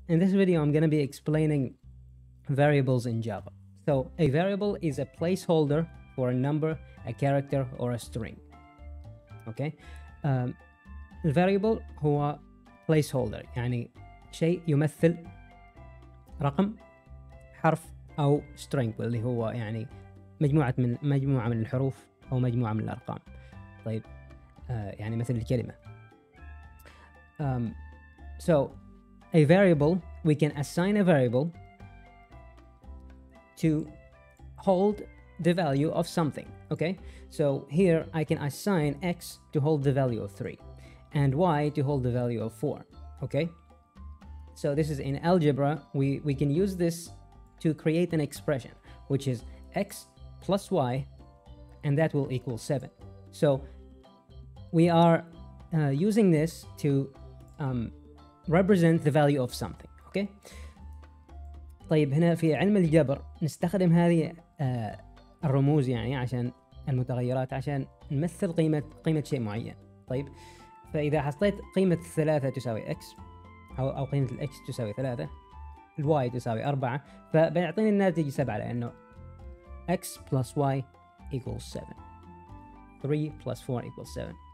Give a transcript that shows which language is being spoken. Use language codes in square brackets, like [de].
[en] In this video, I'm going to be explaining variables in Java. So a variable is a placeholder for a number, a character, or a string. Okay? Variable [ar] هو [en] placeholder. [ar] يعني شيء يمثل رقم, حرف, أو string. اللي هو يعني مجموعة من الحروف أو مجموعة من الأرقام. طيب, يعني مثل الكلمة. [en] A variable, we can assign a variable to hold the value of something, okay? So here I can assign x to hold the value of 3 and y to hold the value of 4, okay? So this is in algebra, we can use this to create an expression, which is x plus y, and that will equal 7. So we are using this to represent the value of something, okay? [ar] طيب هنا في علم الجبر نستخدم هذه الرموز يعني عشان المتغيرات عشان نمثل قيمة شيء معين. طيب فإذا حطيت قيمة 3 تساوي x أو قيمة x تساوي 3 y تساوي 4 فبيعطيني الناتج 7 لأنه [en] x plus y equals 7, [ar] 3 plus 4 equals 7.